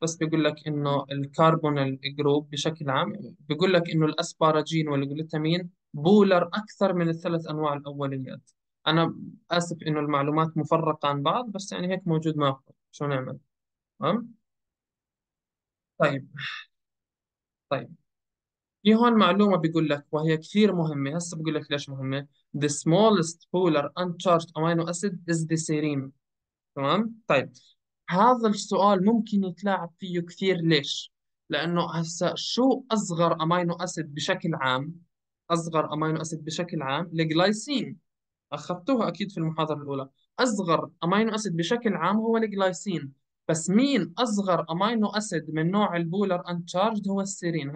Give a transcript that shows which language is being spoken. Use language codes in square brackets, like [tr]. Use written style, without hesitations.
[ar] بس بيقول لك انه الكربون الجروب بشكل عام، بيقول لك انه الاسبارجين والجلوتامين بولر اكثر من الثلاث انواع الاوليات. انا اسف انه المعلومات مفرقه عن بعض، بس يعني هيك موجود معكم، شو نعمل؟ تمام. طيب في هون معلومة بيقول لك وهي كثير مهمة، هسه بقول لك ليش مهمة. [en] The smallest polar uncharged amino acid is the serine. [ar] تمام. طيب هذا السؤال ممكن يتلاعب فيه كثير. ليش؟ لأنه هسه شو أصغر أمينو أسيد بشكل عام؟ أصغر أمينو أسيد بشكل عام الجلايسين، أخذتوها أكيد في المحاضرة الأولى. أصغر أمينو أسيد بشكل عام هو الجلايسين، بس مين أصغر أمينو أسيد من نوع البولر أنتشارجد؟ هو السيرين.